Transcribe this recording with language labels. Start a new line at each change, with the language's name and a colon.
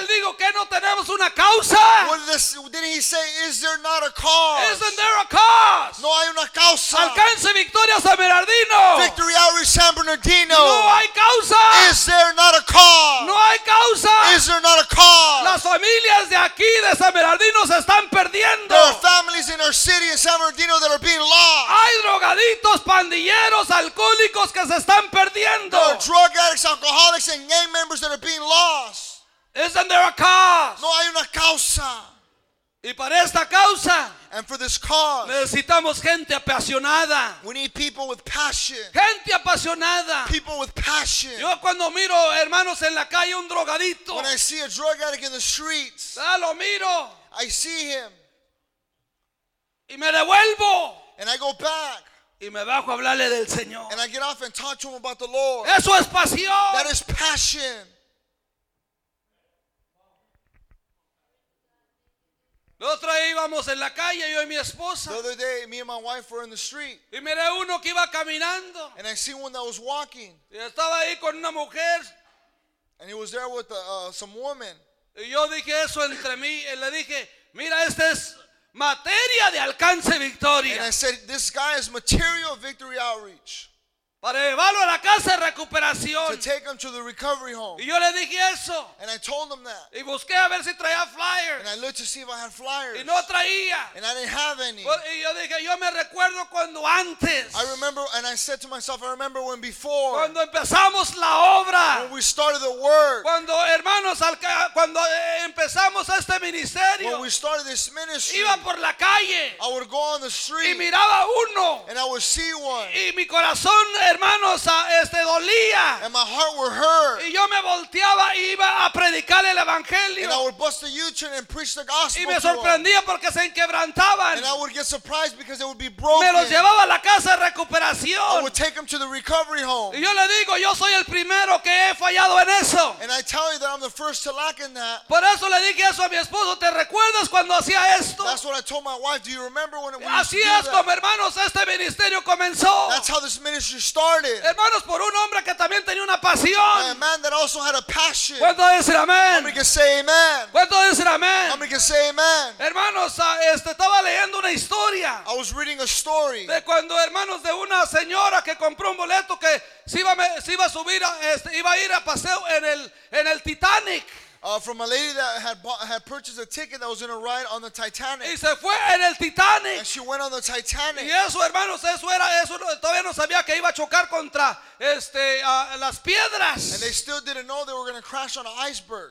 Spanish: Él dijo que no tenemos una causa.
English: Didn't he say, is there not a cause? Isn't there a cause?
Spanish: No hay una causa. Alcance victoria San Bernardino.
English: Victory out of San Bernardino.
Spanish: No hay causa.
English: Is there not a cause?
Spanish: No hay causa.
English: Is there not a cause?
Spanish: Las familias de aquí de San Bernardino se están perdiendo.
English: There are families in our city in San Bernardino that are being lost.
Spanish: Hay drogadictos, pandilleros, alcohólicos que se están perdiendo.
English: There are drug addicts, alcoholics, and gang members that are being lost. Isn't there a cause?
Spanish: No hay una causa. Y para esta causa.
English: And for this cause,
Spanish: necesitamos gente apasionada.
English: We need people with passion.
Spanish: Gente apasionada.
English: People with passion.
Spanish: Yo cuando miro, hermanos, en la calle un drogadito.
English: When I see a drug addict in the streets.
Spanish: Ya lo miro.
English: I see him.
Spanish: Y me devuelvo.
English: And I go back.
Spanish: Y me bajo a hablarle del Señor.
English: And I get off and talk to him about the Lord.
Spanish: Eso es pasión.
English: That is passion.
Spanish: El otro día íbamos en la calle, yo y mi esposa.
English: The other day, me and my wife were in the street.
Spanish: Y miré uno que iba caminando.
English: And I see one that was walking.
Spanish: Y estaba ahí con una mujer.
English: And he was there with some woman.
Spanish: Y yo dije eso entre mí. Y le dije, mira, este es materia de alcance victoria.
English: And I said, this guy is material victory outreach.
Spanish: Para llevarlo a la casa de recuperación.
English: To take him to the recovery home.
Spanish: Y yo le dije eso.
English: And I told him that.
Spanish: Y busqué a ver si traía flyers.
English: And I looked to see if I had flyers.
Spanish: Y no traía.
English: And I didn't have any.
Spanish: Y yo dije, yo me recuerdo cuando antes.
English: I remember, and I said to myself, I remember when before.
Spanish: Cuando empezamos la obra.
English: When we started the work.
Spanish: Cuando hermanos, cuando empezamos este ministerio.
English: When we started this ministry.
Spanish: Iba por la calle.
English: I would go on the street.
Spanish: Y miraba uno.
English: And I would see one.
Spanish: Y mi corazón, hermanos, dolía.
English: And my heart were hurt.
Spanish: Y yo me volteaba y iba a predicar el evangelio.
English: And I would bust a U-turn and preach the gospel.
Spanish: Y me sorprendía porque se inquebrantaban.
English: And I would get surprised because they would be broken.
Spanish: Me los llevaba a la casa de recuperación.
English: I would take them to the recovery home.
Spanish: Y yo le digo, yo soy el primero que he fallado en eso.
English: And I tell you that I'm I'm the first to lack in that.
Spanish: Por eso le dije eso a mi esposo, ¿te recuerdas cuando hacía esto?
English: That's what I told my wife, do you remember when it was?
Spanish: Así es como, hermanos, este ministerio comenzó.
English: That's how this ministry started.
Spanish: Hermanos, por un hombre que también tenía una pasión.
English: By a man that also had a passion.
Spanish: ¿Cuánto dice amén?
English: Somebody can say amen.
Spanish: ¿Cuánto dice amén?
English: Somebody can say amen.
Spanish: Hermanos, estaba leyendo una historia.
English: I was reading a story.
Spanish: De cuando, hermanos, de una señora que compró un boleto que se iba a subir, iba a ir a paseo en el Titanic.
English: From a lady that had purchased a ticket that was going to ride on the Titanic.
Spanish: Y se fue en el Titanic.
English: And she went on the Titanic.
Spanish: Y eso, hermanos, eso todavía no sabía que iba a chocar contra las piedras.
English: And they still didn't know they were going to crash on an iceberg.